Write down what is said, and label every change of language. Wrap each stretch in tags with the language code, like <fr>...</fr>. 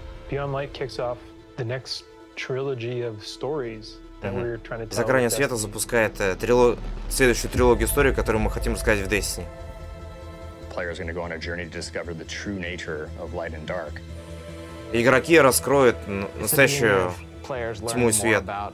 <en>Beyond Light kicks off the next trilogy of stories that we're trying to tell.</en> <ru>За гранью света запускает следующую трилогию истории, которую мы хотим рассказать в Destiny.</ru> <en>Players are going to go on a journey to discover the true nature of light and dark.</en> <ru>Игроки раскроют настоящую тьму и свет.</ru>